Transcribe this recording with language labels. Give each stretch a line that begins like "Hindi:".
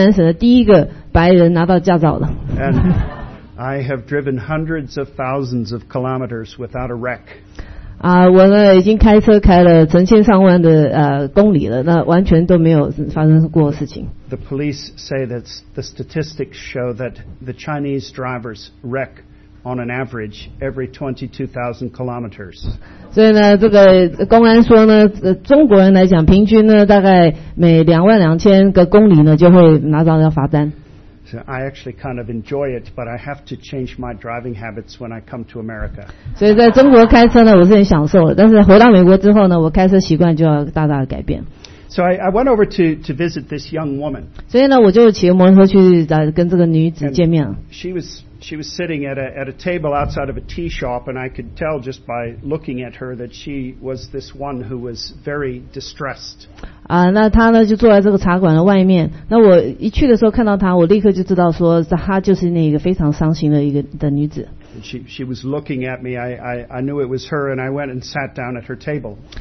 Chinese: 所以呢，在文革之后，解放之后，我是在云南省的第一个白人拿到驾照的。And
English: I have driven hundreds of thousands of kilometers without a wreck.
Chinese: 我呢已经开车开了成千上万的公里了，那完全都没有发生过事情。The
English: police say that the statistics show that the Chinese drivers wreck on an average every 22,000 kilometers.
Chinese: 所以呢，这个公安说呢，中国人来讲，平均呢，大概每22,000个公里呢，就会拿到罚单。
English: So I actually kind of enjoy it, but I have to change my driving habits when I come to America.
Chinese: 所以在中国开车呢，我是很享受的，但是回到美国之后呢，我开车习惯就要大大的改变。
English: So I went over to visit this young woman.
Chinese: 所以呢, 我就骑摩托车去, 跟这个女子见面。
English: She was sitting at a table outside of a tea shop, and I could tell just by looking at her that she was this one who was very distressed.
Chinese: 那她呢就坐在这个茶馆的外面。那我一去的时候看到她， 我立刻就知道说她就是那个非常伤心的一个女子。
English: She was looking at me. I knew it was her, and I went and sat down at her table.